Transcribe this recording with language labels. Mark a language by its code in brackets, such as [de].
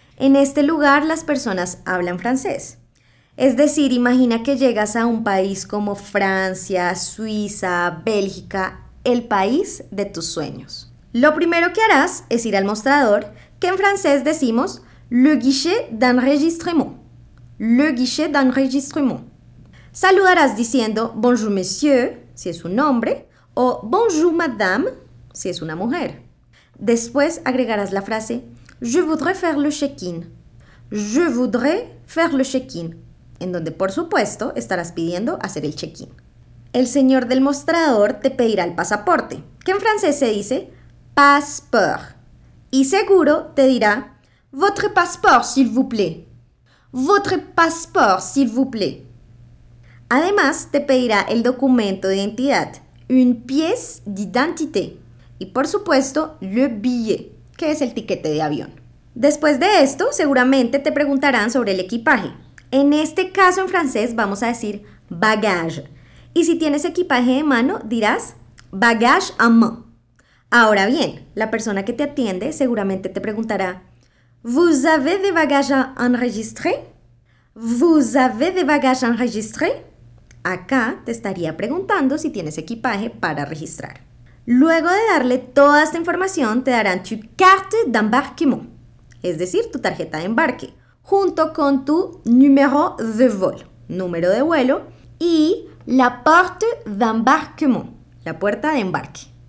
[es] En este lugar las personas hablan francés. Es decir, imagina que llegas a un país como Francia, Suiza, Bélgica, el país de tus sueños. Lo primero que harás es ir al mostrador, que en francés decimos [fr] le guichet d'enregistrement. Le guichet d'enregistrement. [es] Saludarás diciendo [fr] bonjour monsieur, [es] si es un hombre, o [fr] bonjour madame, [es] si es una mujer. Después agregarás la frase [fr] je voudrais faire le check-in. Je voudrais faire le check-in, [es] en donde por supuesto estarás pidiendo hacer el check-in. El señor del mostrador te pedirá el pasaporte, que en francés se dice passeport. Y seguro te dirá [fr] votre passeport, s'il vous plaît. Votre passeport, s'il vous plaît. [es] Además, te pedirá el documento de identidad, [fr] une pièce d'identité, [es] y por supuesto, [fr] le billet, [es] que es el tiquete de avión. Después de esto, seguramente te preguntarán sobre el equipaje. En este caso, en francés, vamos a decir bagage. Y si tienes equipaje de mano, dirás [fr] bagage à main. [es] Ahora bien, la persona que te atiende seguramente te preguntará [fr] ¿vous avez des bagages enregistrés? ¿Vous avez des bagages enregistrés? [es] Acá te estaría preguntando si tienes equipaje para registrar. Luego de darle toda esta información, te darán tu [fr] carte d'embarquement, [es] es decir, tu tarjeta de embarque, junto con tu [fr] numéro de vol, [es] número de vuelo, y [fr] la porte d'embarquement, [es] la puerta de embarque.